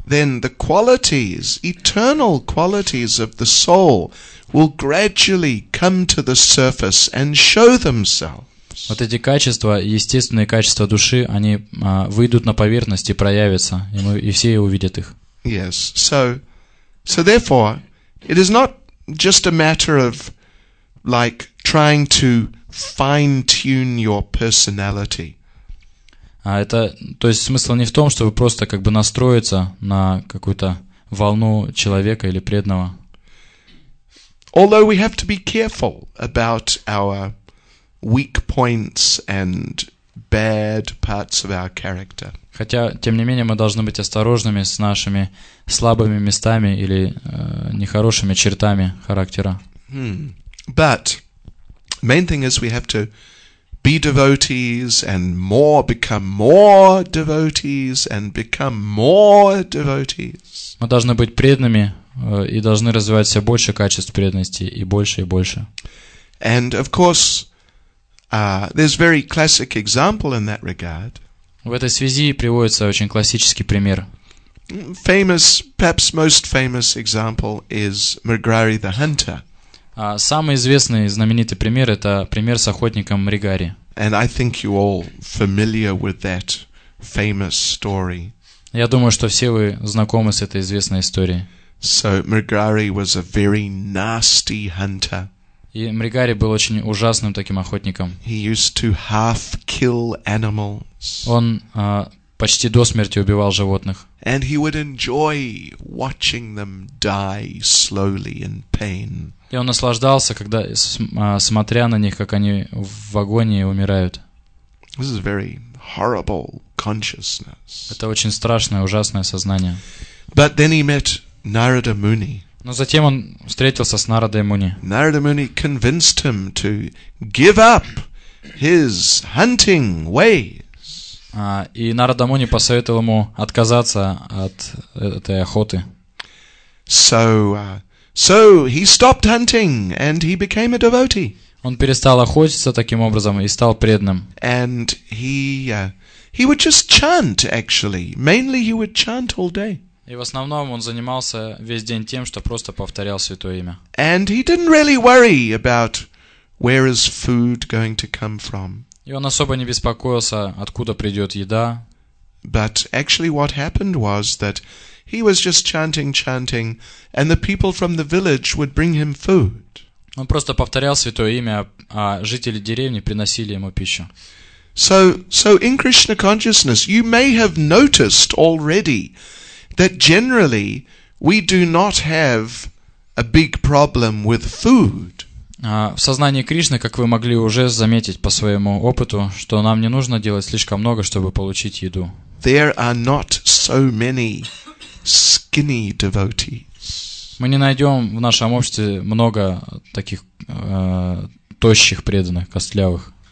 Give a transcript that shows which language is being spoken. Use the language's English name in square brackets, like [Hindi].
[English] Then the qualities, eternal qualities of the soul will gradually come to the surface and show themselves. [Russian] Вот эти качества, естественные качества души, они выйдут на поверхность и проявятся, и мы и все увидят их. [English] Yes. So therefore, it is not just a matter of like trying to fine-tune your personality. [Russian] То есть смысл не в том, чтобы просто как бы настроиться на какую-то волну человека или преданного. [English] Although we have to be careful about our weak points and bad parts of our character. [Russian] Хотя, тем не менее, мы должны быть осторожными с нашими слабыми местами или нехорошими чертами характера. [English] But main thing is we have to be devotees and more become more devotees and become more devotees. [Russian] Мы должны быть преданными и должны развивать все больше качеств преданности и больше и больше. [English] And of course, there's very classic example in that regard. [Russian] В этой связи приводится очень классический пример. [English] Famous, perhaps most famous example is Mrigari the Hunter. [Russian] Самый известный и знаменитый пример — это пример с охотником Мригари. [English] And I think you all familiar with that famous story. [Russian] Я думаю, что все вы знакомы с этой известной историей. [English] So Mrigari was a very nasty hunter. [Russian] И Мригари был очень ужасным таким охотником. [English] He used to half kill animals. [Russian] Он почти до смерти убивал животных. [English] And he would enjoy watching them die slowly in pain. [Russian] И он наслаждался, когда смотря на них, как они в агонии умирают. [English] This is very horrible consciousness. [Russian] Это очень страшное, ужасное сознание. [English] But then he met Narada Muni. [Russian] Но затем он встретился с Нарадой Муни. [English] Narada Muni convinced him to give up his hunting ways. [Russian] И Нарада Муни посоветовал ему отказаться от этой охоты. [English] So he stopped hunting and he became a devotee. [Russian] Он перестал охотиться таким образом и стал преданным. [English] And he would just chant actually. Mainly he would chant all day. [Russian] И в основном он занимался весь день тем, что просто повторял святое имя. [English] And he didn't really worry about where is food going to come from. [Russian] И он особо не беспокоился, откуда придёт еда. [English] But actually what happened was that he was just chanting, and the people from the village would bring him food. [Russian] Он просто повторял святое имя, а жители деревни приносили ему пищу. [English] So in Krishna consciousness, you may have noticed already that generally we do not have a big problem with food. [Russian] В сознании Кришны, как вы могли уже заметить по своему опыту, что нам не нужно делать слишком много, чтобы получить еду. [English] There are not so many skinny devotees. [Russian] Мы не найдем в нашем обществе много таких тощих преданных, костлявых.